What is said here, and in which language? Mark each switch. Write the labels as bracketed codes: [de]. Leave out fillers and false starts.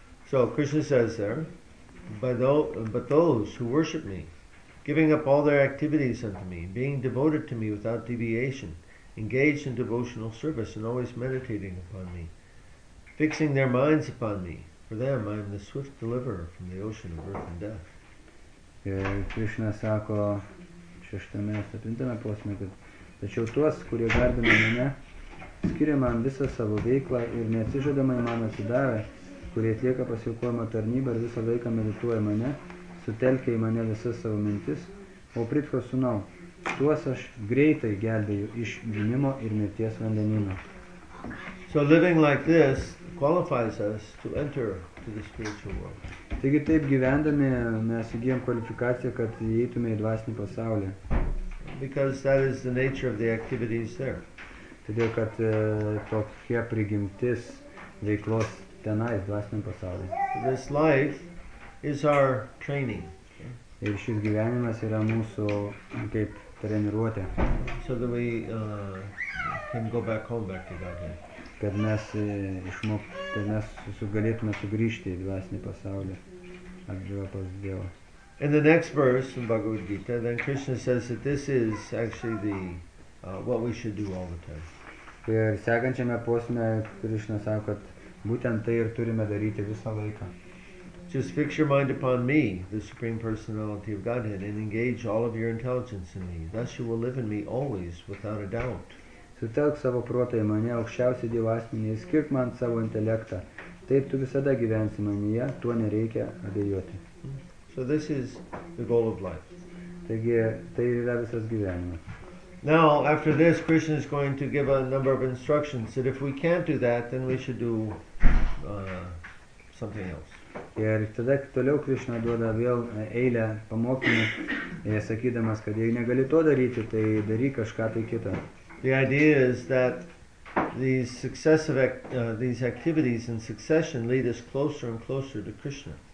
[en] So Krishna says there, but those who worship me, giving up all their activities unto me, being devoted to me without deviation, engaged in devotional service and always meditating upon me, fixing their minds upon me, for them I am the swift deliverer from the ocean of birth and death. [lt] Krishna sako šeštame, septintame posme, kad tačiau tuos, kurie garbina mane, skiria man visą savo veiklą ir neatsižadamai man atsidavę, kurie atlieka pasiaukojimo tarnybą ir visą laiką medituoja mane, sutelkia į mane visas savo mintis, o Pritko sūnau, tuos aš greitai gelbėju iš gimimo ir mirties vandenino. [en] So living like this qualifies us to enter to the spiritual world. [lt] Taigi taip gyvendami mes įgyjam kvalifikaciją, kad įeitume į dvasinį pasaulį. [en] Because that is the nature of the activities there. [lt] Todėl, kad tokia prigimtis veiklos tenais dvasiniam pasaulyje. [en] This life is our training. [lt] Ir šis gyvenimas yra mūsų kaip treniruotė. [en] So that we can go back home back to Godhead. [lt] Kad mes galėtume sugrįžti į dvasinį pasaulį atgyvą pas Dievą. [en] In the next verse in Bhagavad Gita, then Krishna says that this is actually the what we should do all the time. [lt] Ir sekančiame posme Krishna sako, kad būtent tai ir turime daryti visą laiką. [en] Just fix your mind upon me, the Supreme Personality of Godhead, and engage all of your intelligence in me. Thus you will live in me always, without a doubt. [lt] Sutelk savo protą į mane, aukščiausią Dievo asmenį, skirk man savo intelektą. Taip tu visada gyvensi manyje, tuo nereikia abejoti. [en] So this is the goal of life. [lt] Taigi, tai yra visas gyvenimas. [en] Now, after this, Krishna is going to give a number of instructions that if we can't do that, then we should do something else. [lt] Ir tada toliau Krishna duoda vėl eilę pamokymų, sakydamas, kad jei negali to daryti, tai daryk kažką tai kitą. [en] The idea is that these successive these activities in succession lead us closer and closer to Krishna.